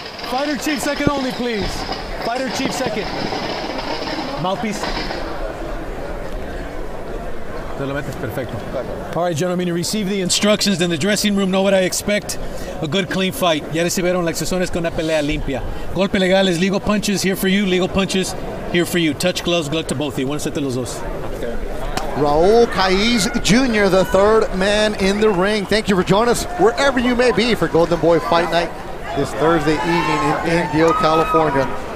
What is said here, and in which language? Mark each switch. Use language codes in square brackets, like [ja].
[en] Fighter Chief second only, please. Fighter Chief second. Mouthpiece. All right, gentlemen, you receive the instructions in the dressing room. Know what I expect? A good, clean fight. [es] Ya recibieron las instrucciones con una pelea limpia. Golpe legal [en] is legal punches here for you. Legal punches here for you. Touch gloves, glove to both of you. One set [es] de los dos. [en] Raul Caiz Jr., the third man in the ring. Thank you for joining us wherever you may be for Golden Boy Fight Night this Thursday evening in Indio, California.